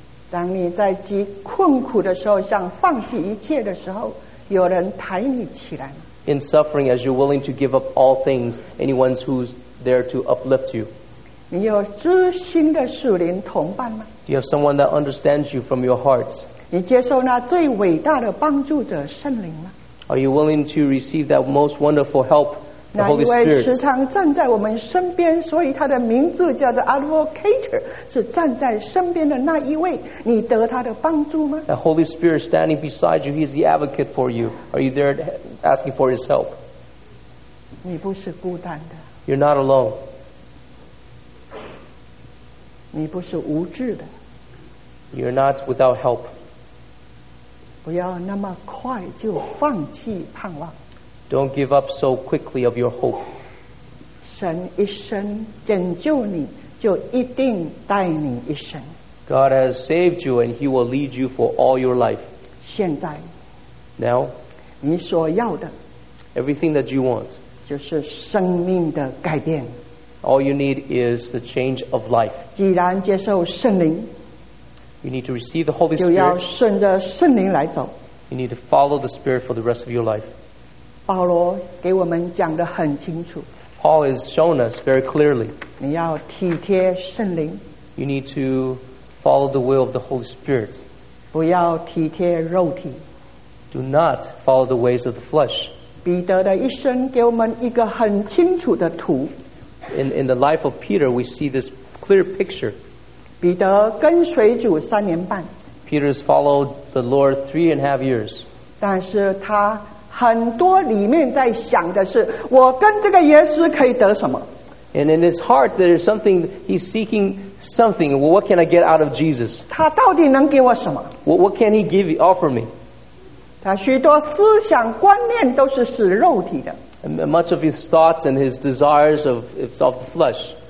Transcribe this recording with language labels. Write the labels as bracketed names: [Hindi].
[Chinese] 当你在极困苦的时候，想放弃一切的时候，有人抬你起来。 [English] In suffering, as you're willing to give up all things, anyone who's there to uplift you. [Chinese] 你有知心的属灵同伴吗 [English] Do you have someone that understands you from your hearts? [Chinese] 你接受那最伟大的帮助者圣灵吗 [English] Are you willing to receive that most wonderful help? [Chinese] 那一位时常站在我们身边，所以他的名字叫做 Advocator， 是站在身边的那一位。你得他的帮助吗 [English] ？The Holy Spirit standing beside you, He is the advocate for you. Are you there asking for His help? [Chinese] 你不是孤单的。 [English] You're not alone. [Chinese] 你不是无助的。 [English] You're not without help. [Chinese] 不要那么快就放弃盼望。 [English] Don't give up so quickly of your hope. [Chinese] 神一生拯救你，就一定带你一生。 [English] God has saved you, and He will lead you for all your life. [Chinese] 现在 [English] ，Now， [Chinese] 你所要的 [English] ，Everything that you want， [Chinese] 就是生命的改变。 [English] All you need is the change of life. [Chinese] 既然接受圣灵 [English] ，You need to receive the Holy Spirit. [Chinese] 就要顺着圣灵来走。 [English] You need to follow the Spirit for the rest of your life. [Chinese] 保罗给我们讲得很清楚。 [English] Paul has shown us very clearly. [Chinese] 你要体贴圣灵。 [English] You need to follow the will of the Holy Spirit. [Chinese] 不要体贴肉体。 [English] Do not follow the ways of the flesh. [Chinese] 彼得的一生给我们一个很清楚的图。 [English] In the life of Peter, we see this clear picture. [Chinese] 彼得跟随主三年半。 [English] Peter has followed the Lord 3.5 years. [Chinese] 但是他很多里面在想的是，我跟这个耶稣可以得什么 [English] And in his heart, there is something, he's seeking something. Well, what can I get out of Jesus? What can he give, offer me? And much of his thoughts and his desires of the flesh.